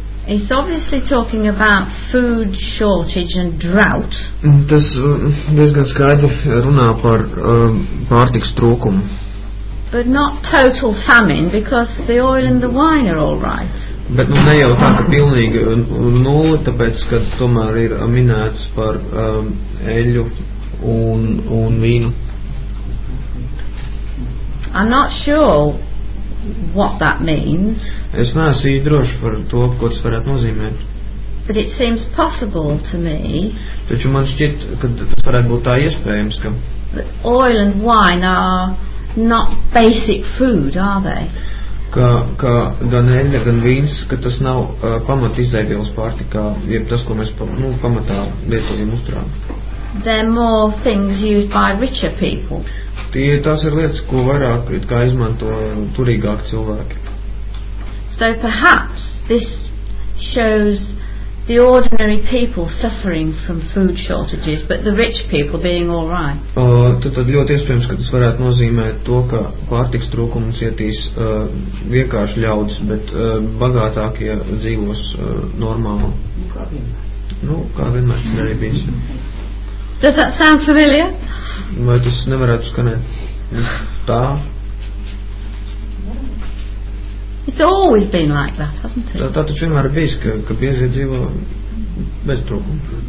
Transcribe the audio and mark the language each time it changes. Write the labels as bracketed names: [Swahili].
[English] It's obviously talking about food shortage and drought. [Latvian] Tas diezgan skaidri runā par pārtikas trūkumu. [English] But not total famine, because the oil and the wine are all right. [Latvian] Bet nu ne jau tā, ka pilnīgi nuli, tāpēc, ka tomēr ir minēts par eļu un vīnu. [English] I'm not sure what that means. [Latvian] Es neesmu īsti drošs par to, ko tas varētu nozīmēt. [English] But it seems possible to me. [Latvian] Taču man šķiet, ka tas varētu būt tā iespējams, ka [English] oil and wine are not basic food, are they? [Latvian] Ka gan eļa, gan vīns, ka tas nav pamat izēdienas pārtikā, jeb tas, ko mēs pamatā lietojam uzturā. [English] They're more things used by richer people. [Latvian] Tās ir lietas, ko vairāk it kā izmanto turīgāki cilvēki. [English] So perhaps this shows the ordinary people suffering from food shortages, but the rich people being all right. [Latvian] Tad ļoti iespējams, ka tas varētu nozīmēt to, ka pārtikas trūkumu cietīs vienkārši ļaudis, bet bagātākie dzīvos normāli. Nu, kā vienmēr tas arī bijis. [English] Does that sound familiar? [Latvian] Vai tas nevarētu skanēt tā? [English] It's always been like that, hasn't it? [Latvian] Tā taču vienmēr bijis, ka biezie dzīvo bez trūkuma.